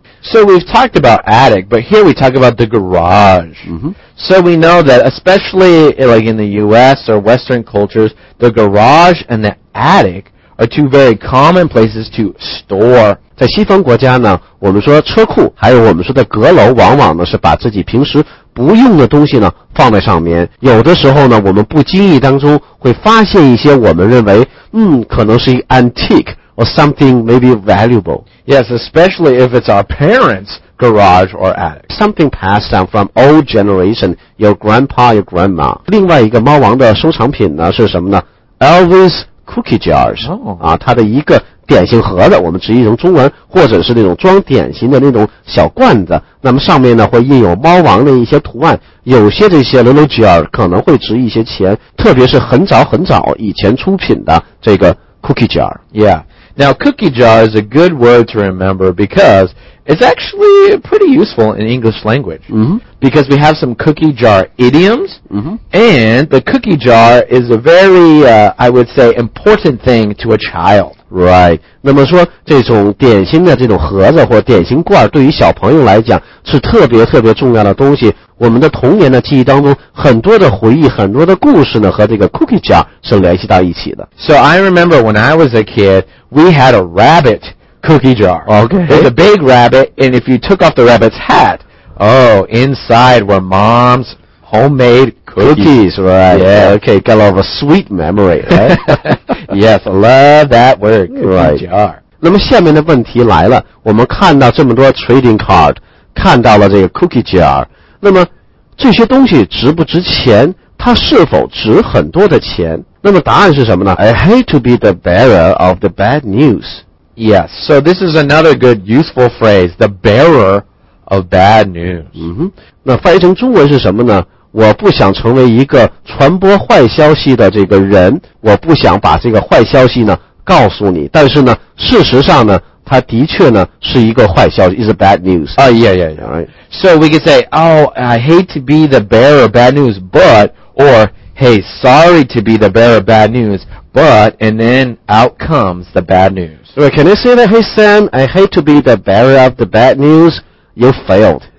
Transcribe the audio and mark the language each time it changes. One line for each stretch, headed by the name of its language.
English: So we've talked about attic, but here we talk about the garage.、 Mm-hmm. So we know that especially like in the US or Western cultures, the garage and the attic are two very common places to store.
Chinese: 在西方国家呢，我们说车库还有我们说的阁楼，往往呢是把自己平时不用的东西呢放在上面。有的时候呢，我们不经意当中会发现一些我们认为可能是一个
English: antique,or something maybe valuable. Yes, especially if it's our parents' garage or attic. Something passed down from old generation, your grandpa, your grandma.
Chinese: 另外一个猫王的收藏品呢是什么呢？
English: Elvis cookie jars.
Chinese: 它的一个点心盒子，我们直译成中文，或者是那种装点心的那种小罐子，那么上面呢会印有猫王的一些图案，有些这些 little jar 可能会值一些钱，特别是很早很早以前出品的这个cookie jar.
English: Yeah. Now, cookie jar is a good word to remember because it's actually pretty useful in English language. Mm-hmm. Because we have some cookie jar idioms, mm-hmm. and the cookie jar is a very, I would say, important thing to a child. Right.
Chinese: 那么说这种点心的这种盒子或点心罐对于小朋友来讲是特别特别重要的东西。我们的童年的记忆当中很多的回忆很多的故事呢和这个 cookie jar 是联系到一起的。
English: So I remember when I was a kid, we had a rabbit cookie jar. Okay. It was a big rabbit, and if you took off the rabbit's hat, oh, inside were mom's homemade cookies. Cookies, right. Yeah. Okay, got a lot of a sweet memory, right? Yes, love that word, cookie right. jar.
Chinese: 那么下面的问题来了，我们看到这么多 trading card, 看到了这个 cookie jar, 那么这些东西值不值钱？它是否值很多的钱？那么答案是什么呢？
English: I hate to be the bearer of the bad news. Yes, so this is another good useful phrase, the bearer of bad news.
Chinese: 那翻译成中文是什么呢？我不想成为一个传播坏消息的这个人，我不想把这个坏消息呢告诉你，但是呢事实上呢它的确呢是一个坏消息
English: is a bad news. So we could say, oh, I hate to be the bearer of bad news, but, or, hey, sorry to be the bearer of bad news, but, and then out comes the bad news. Right, can you say that, hey Sam, I hate to be the bearer of the bad news, you failed.